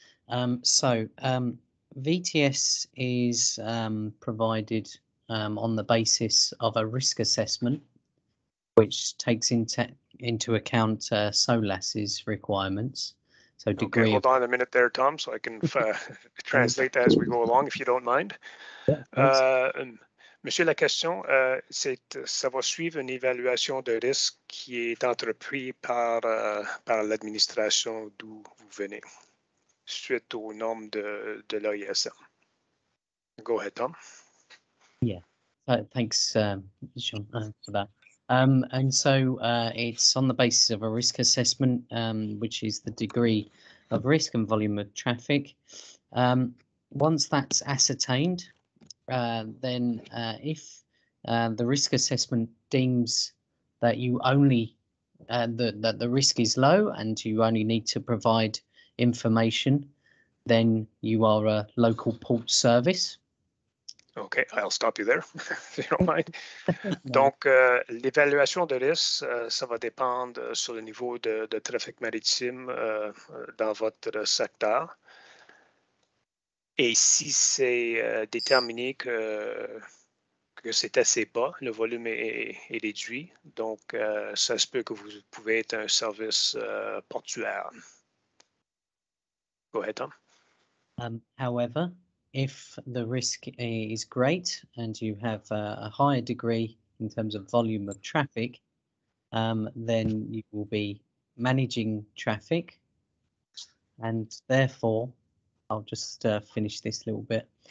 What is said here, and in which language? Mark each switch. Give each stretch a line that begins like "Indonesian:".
English: VTS is provided on the basis of a risk assessment, which takes into account SOLAS's requirements. So degree. Okay, hold on a minute there, Tom, so I can translate that as we go along, if you don't mind.
French: Monsieur, la question, c'est ça va suivre une évaluation de risque qui est entreprise par l'administration d'où vous venez, suite aux normes de l'OISM.
English: Go ahead, Tom. Yeah, thanks, Jean, for that. It's on the basis of a risk assessment, which is the degree of risk and volume of traffic. Once that's ascertained, then if the risk assessment deems that you only, that the risk is low and you only need to provide information then you are a local port service. Okay, I'll stop you there, if you don't mind.
French: Donc, l'évaluation de risque, ça va dépendre sur le niveau de trafic maritime dans votre secteur. Et si c'est déterminé que c'est assez bas, le volume est réduit, donc ça se peut que vous pouvez être un service portuaire.
English: Go ahead, Tom. However, if the risk is great and you have a higher degree in terms of volume of traffic, then you will be managing traffic. And therefore, I'll just finish this little bit.